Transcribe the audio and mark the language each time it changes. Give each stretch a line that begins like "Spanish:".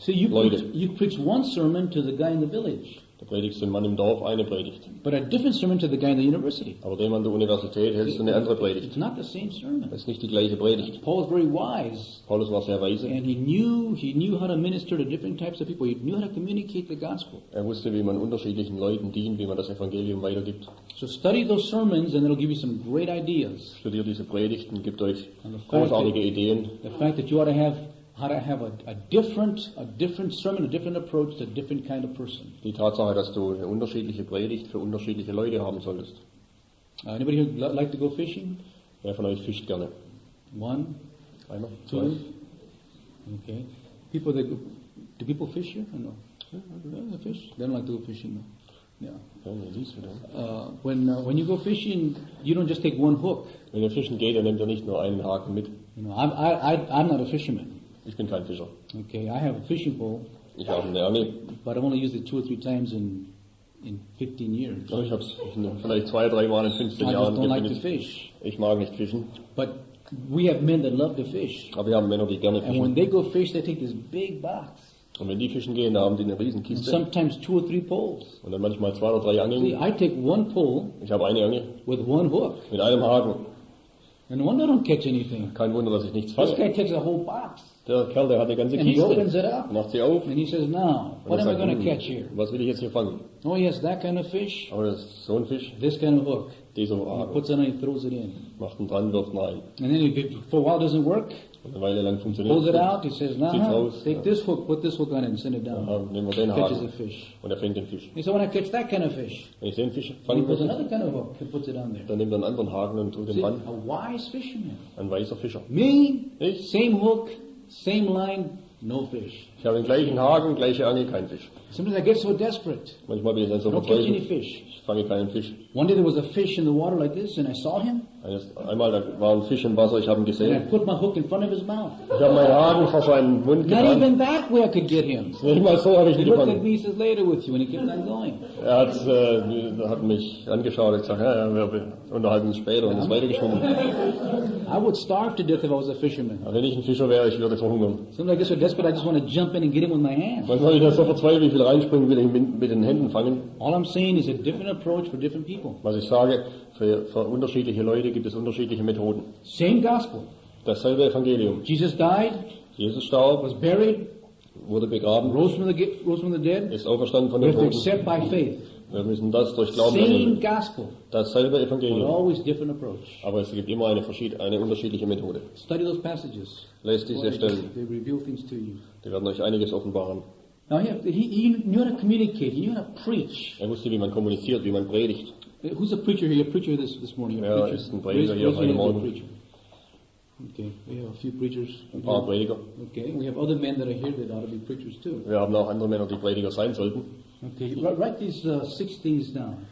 German: Leute.
English: So you preach one sermon to the guy in the village.
German: Du predigst dem Mann im Dorf eine Predigt.
English: But a different sermon to the guy in the university.
German: Aber dem an der Universität hältst du eine andere Predigt.
English: It's not the same sermon.
German: Es ist nicht die gleiche Predigt.
English: Paul was very wise.
German: Paulus war sehr weise.
English: And he knew how to minister to different types of people. He knew how to communicate the gospel.
German: Er wusste, wie man unterschiedlichen Leuten dient, wie man das Evangelium weitergibt.
English: So study those sermons and it'll give you some great ideas.
German: Studier diese Predigten, gibt euch großartige Ideen.
English: The fact that you ought to have a different sermon, a different approach to a different kind of person.
German: Die Tatsache, dass du eine unterschiedliche Predigt für unterschiedliche Leute haben solltest.
English: Anybody who like to go fishing?
German: Wer von euch fischt gerne?
English: One.
German: Einer.
English: Two. Okay. People that go, do people fish here? No. Yeah, fish. They don't like to go fishing. No. Yeah. Well, at least we don't. When you go fishing, you don't just take one hook.
German: Wenn ihr fischen geht, dann nehmt ihr nicht nur einen Haken mit.
English: You know, I'm not a fisherman.
German: Ich bin kein Fischer.
English: Okay, I have a fishing pole.
German: Ich habe eine Angel.
English: But I only use it two or three times in in 15 years.
German: Oh, ich habe es vielleicht zwei, drei Mal in 15 Jahren gefunden. Ich mag nicht fischen.
English: But we have men that love to fish.
German: Aber wir haben Männer, die gerne fischen.
English: And when they go fish, they take this big box.
German: Und wenn die fischen gehen, da haben die eine riesen Kiste.
English: Sometimes two or three poles.
German: Und dann manchmal zwei oder drei Angeln.
English: See, I take one pole.
German: Ich habe eine Angel.
English: With one hook.
German: Mit einem Haken.
English: And wonder I don't catch anything.
German: Kein Wunder, dass ich nichts fange.
English: This guy takes a whole box.
German: Der Kerl, der hat eine ganze Kiste.
English: And he opens it up.
German: Macht sie auf.
English: And he says, now, what am I going to catch here?
German: Was will ich jetzt hier fangen?
English: Oh yes, that kind of fish.
German: Aber das ist so ein Fisch.
English: This kind of hook.
German: Dieser Haken.
English: And he puts it in and he throws it in.
German: Macht ihn dran, wirft rein.
English: And then it, for a while doesn't work.
German: Weile lang funktioniert.
English: Pulls it out, he says, nah, take this hook, put this hook on it and send it down.
German: Nehmen wir den Haken.
English: Catches a fish.
German: Und fängt den Fisch.
English: He says, when I catch that kind of fish,
German: wenn ich den Fisch fange,
English: he puts another kind of hook and puts it on there.
German: Dann nimmt er einen anderen Haken und tut den dran.
English: A wise fisherman.
German: Ein weiser Fischer.
English: Me?
German: Ich?
English: Same hook, same line, no fish.
German: Ich habe den gleichen Haken, gleiche Angel, kein Fisch.
English: Sometimes I get so desperate.
German: Manchmal bin ich dann so verzweifelt. Ich fange keinen Fisch.
English: One day there was a fish in the water like this, and I saw him.
German: Einmal da war ein Fisch im Wasser, ich habe ihn gesehen.
English: And I put my hook in front of his mouth.
German: Ich habe meinen Haken vor seinen Mund getan.
English: Not even that way I could get him.
German: Nicht mal so habe ich ihn gefangen.
English: He looked at me, he says, later with you, and he kept on going.
German: Er hat, hat mich angeschaut und gesagt, ja, wir unterhalten uns später, und ist weitergeschwommen.
English: I would starve to death if I was a fisherman.
German: Aber wenn ich ein Fischer wäre, ich würde verhungern.
English: Sometimes I get so desperate, I just want to jump in and get him with my hands.
German: Manchmal bin ich so verzweifelt, ich will reinspringen, will ich mit den Händen fangen.
English: All I'm saying is a different approach for different people.
German: Was ich sage, für unterschiedliche Leute gibt es unterschiedliche Methoden.
English: Same gospel.
German: Dasselbe Evangelium.
English: Jesus died.
German: Jesus starb.
English: Was buried.
German: Wurde begraben.
English: Rose from the dead.
German: Ist auferstanden von den Toten.
English: Except by faith.
German: Wir müssen das durch Glauben
English: same
German: annehmen.
English: Gospel.
German: Dasselbe Evangelium.
English: But always different approach.
German: Aber es gibt immer eine unterschiedliche Methode.
English: Study those passages.
German: Lest diese Stellen.
English: They reveal things to you.
German: Die werden euch einiges offenbaren.
English: Now he knew how to communicate. He knew how to preach.
German: Er wusste, wie man kommuniziert, wie man predigt.
English: Who's a preacher here? A preacher this morning?
German: Ja, preacher. Ist ein Prediger hier heute Morgen.
English: Okay, we have a few preachers.
German: Ein paar Prediger.
English: Okay, we have other men that are here that ought to be preachers too.
German: Wir haben auch andere Männer, die Prediger sein sollten.
English: Okay, write these six things down.